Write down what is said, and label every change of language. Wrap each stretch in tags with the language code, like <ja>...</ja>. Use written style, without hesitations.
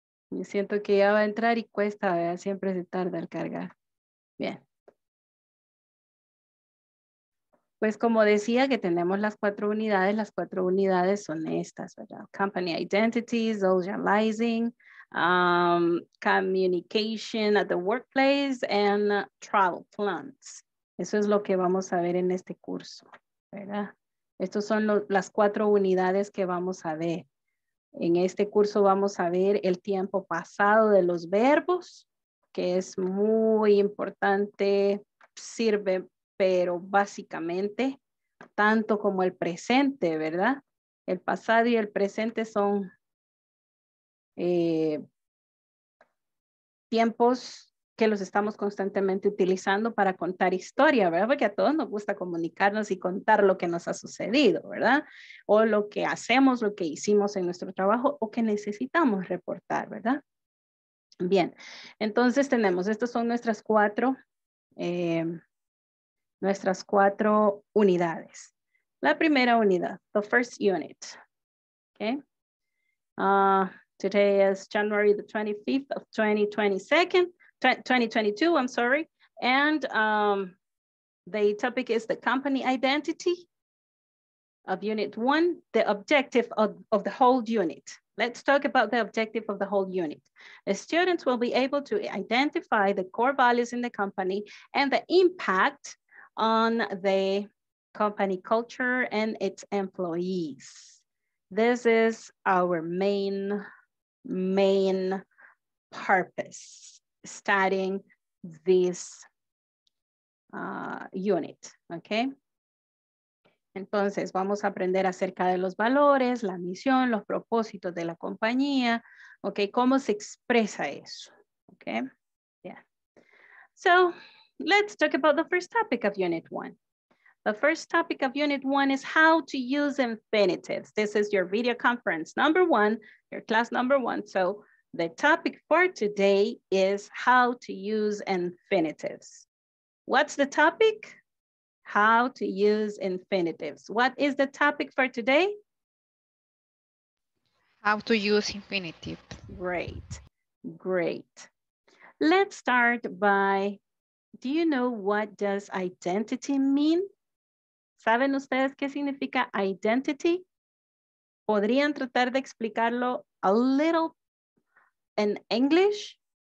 <es>Me siento que ya va a entrar y cuesta, ¿verdad? Siempre se tarda al cargar. Bien. Pues como decía que tenemos las cuatro unidades son estas, ¿verdad?</es> <en>Company identity, socializing, communication at the workplace, and travel plans.</en> <es>Eso es lo que vamos a ver en este curso, ¿verdad? Estas son las cuatro unidades que vamos a ver. En este curso vamos a ver el tiempo pasado de los verbos, que es muy importante, sirve, pero básicamente, tanto como el presente, ¿verdad? El pasado y el presente son tiempos que los estamos constantemente utilizando para contar historia, ¿verdad? Porque a todos nos gusta comunicarnos y contar lo que nos ha sucedido, ¿verdad? O lo que hacemos, lo que hicimos en nuestro trabajo o que necesitamos reportar, ¿verdad? Bien, entonces tenemos, estas son nuestras cuatro unidades. La primera unidad,</es> <en>the first unit,</en> <es>¿ok?</es> <en>Today is January the 25th of 2022, I'm sorry. And the topic is the company identity of unit one, the objective of the whole unit. Let's talk about the objective of the whole unit. The students will be able to identify the core values in the company and the impact on the company culture and its employees. This is our main purpose. Starting this unit, okay?</en> <es>Entonces, vamos a aprender acerca de los valores, la misión, los propósitos de la compañía. Ok, ¿cómo se expresa eso? Ok, yeah.</es> <en>So, let's talk about the first topic of Unit 1. The first topic of Unit 1 is how to use infinitives. This is your video conference number one, your class number one. So, the topic for today is how to use infinitives. What's the topic? How to use infinitives. What is the topic for today? How to use infinitives. Great, great. Let's start by, do you know what does identity mean?</en> <es>¿Saben ustedes qué significa identity? ¿Podrían tratar de explicarlo</es> <en>a little in English?</en>